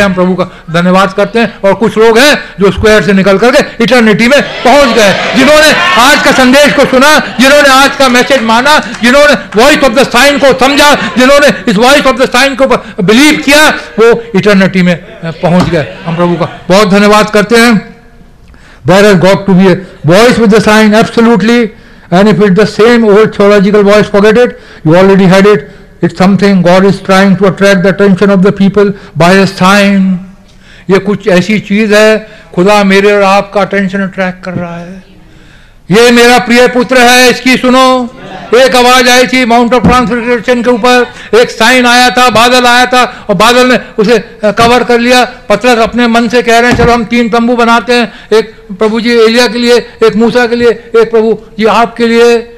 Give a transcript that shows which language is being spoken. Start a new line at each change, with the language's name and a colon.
Hindi: हम प्रभु का धन्यवाद करते हैं। और कुछ लोग हैं जो स्क्वायर से निकल करके इटर्निटी में पहुंच गए, जिन्होंने आज का संदेश को सुना, जिन्होंने आज का मैसेज माना, जिन्होंने
English: voice of the sign
Hindi: को समझा, जिन्होंने इस वॉइस ऑफ द साइन को बिलीव किया, वो इटर्निटी में पहुंच गए। हम प्रभु का बहुत धन्यवाद करते हैं।
English: There has got to be a voice with the sign, absolutely. And if it's the same old theological voice, forget it. You already had it. It's something God is trying to attract the attention of the people by a sign.
Hindi: ये कुछ ऐसी चीज है, खुदा मेरे और आपका attention attract कर रहा है। ये मेरा प्रिय पुत्र है, इसकी सुनो। एक आवाज आई थी माउंट ऑफ ट्रांसफिगरेशन के ऊपर, एक साइन आया था, बादल आया था और बादल ने उसे कवर कर लिया। पतरस अपने मन से कह रहे हैं, चलो हम 3 तंबू बनाते हैं, एक प्रभु जी एलिया के लिए, एक मूसा के लिए, एक प्रभु जी आपके लिए।